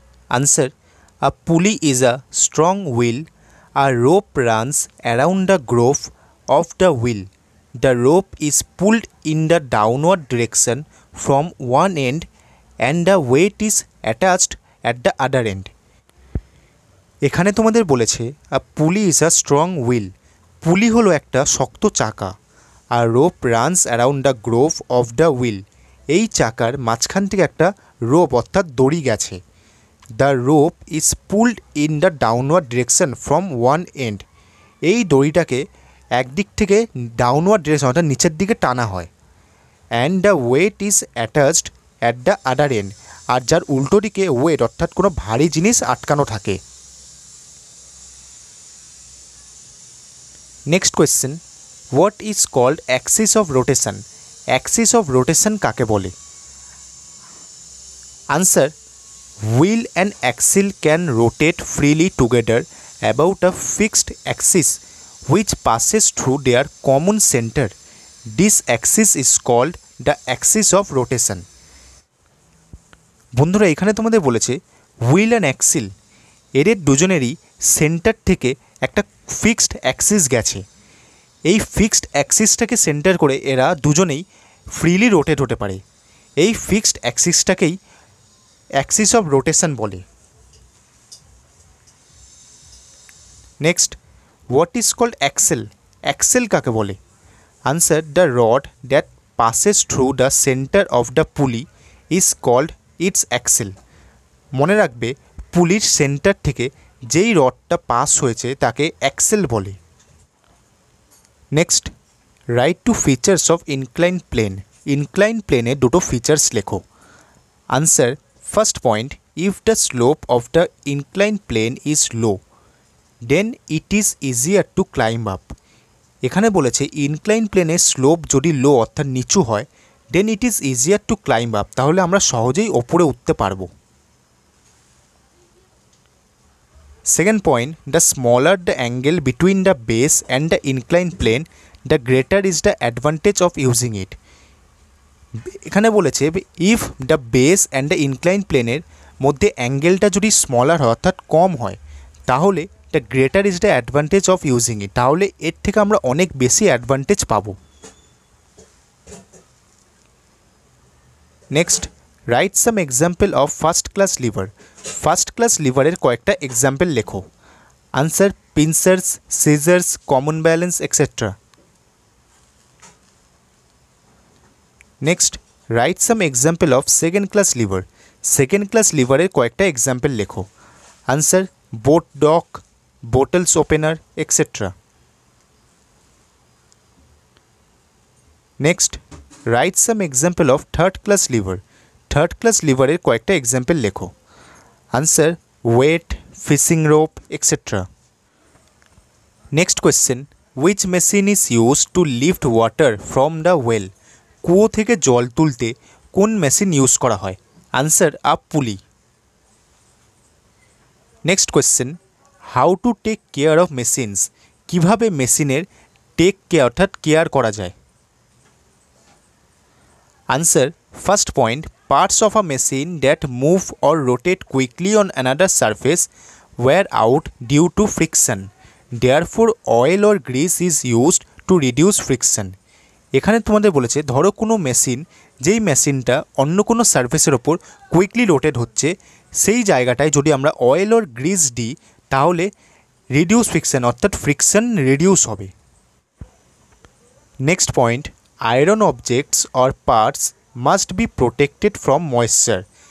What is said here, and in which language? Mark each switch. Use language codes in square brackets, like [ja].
[en] Answer, a pulley is a strong wheel, a rope runs around the groove of the wheel, the rope is pulled in the downward direction from one end and the weight is attached at the other end. [bn] এখানে তোমাদের বলেছে [en] a pulley is a strong wheel, [bn] পুলি হলো একটা শক্ত চাকা, আর [en] rope runs around the groove of the wheel, [bn] এই চাকার মাঝখান থেকে একটা রোপ অর্থাৎ দড়ি গেছে, [en] The rope is pulled in the downward direction from one end. [bn] এই দড়িটাকে একদিক থেকে downward direction অর্থাৎ নিচের দিকে টানা হয়। [en] And the weight is attached at the other end. [bn] আর যার উল্টো দিকে weight অর্থাৎ কোনো ভারী জিনিস আটকানো থাকে। [en] Next question, what is called axis of rotation? [bn] Axis of rotation কাকে বলে? [en] Answer, wheel and axle can rotate freely together about a fixed axis which passes through their common center. This axis is called the axis of rotation. [bn] বন্ধুরা এখানে তোমাদের বলেছে wheel and axle এদের দুজনেরই center থেকে একটা fixed axis গেছে। এই fixed axisটাকে center করে এরা দুজনেই freely rotate হতে পারে। এই fixed axisটাকেই axis of rotation বলে। [en] Next, what is called axle? [bn] Axle কাকে বলে? [en] Answer, the rod that passes through the center of the pulley is called its axle. [bn] মনে রাখবে পুলির center থেকে যেই রডটা পাস হয়েছে তাকে axle বলে। [en] Next, write two features of inclined plane. [bn] Inclined plane এ দুটো features লেখো। [en] Answer, first point, if the slope of the inclined plane is low, then it is easier to climb up. [bn] এখানে বলেছে [en] inclined plane এ slope [bn] যদি low অর্থাৎ নিচু হয়, [en] then it is easier to climb up. [bn] তাহলে আমরা সহজেই উপরে উঠতে পারবো। [en] Second point, the smaller the angle between the base and the inclined plane, the greater is the advantage of using it. [bn] এখানে বলেছে [en] if the base and the inclined plane [bn] এর মধ্যে অ্যাঙ্গেলটা যদি স্মলার হয় অর্থাৎ কম হয় তাহলে [en] the greater is the advantage of using it. [bn] তাহলে এর থেকে আমরা অনেক বেশি অ্যাডভান্টেজ পাবো। [en] Next, write some example of first class lever. First class lever [bn] এর কয়েকটা example লেখো। [en] Answer, pincers, scissors, common balance, etc. Next, write some example of second class lever. [bn] Second class lever এর কয়েকটা example লেখো। [en] Answer, boat dock, bottles opener, etc. Next, write some example of third class lever. [bn] Third class lever এর কয়েকটা example লেখো। [en] Answer, weight, fishing rope, etc. Next question, which machine is used to lift water from the well? [bn] কুয়ো থেকে জল তুলতে কোন machine use করা হয়? [en] Answer, a pulley. Next question, how to take care of machines? [bn] কিভাবে মেশিনের টেক কেয়ার অর্থাৎ কেয়ার করা যায়? [en] Answer, first point, parts of a machine that move or rotate quickly on another surface wear out due to friction. Therefore, oil or grease is used to reduce friction. [bn] এখানে তোমাদের বলেছে ধরো কোনো machine যেই মেশিনটা অন্য কোনো সার্ফেসের উপর কুইকলি রোটেট হচ্ছে সেই জায়গাটায় যদি আমরা অয়েল অর গ্রিজ দিই তাহলে রিডিউস ফ্রিকশন অর্থাৎ ফ্রিকশন রিডিউস হবে। [en] Next point, iron objects or parts must be protected from moisture.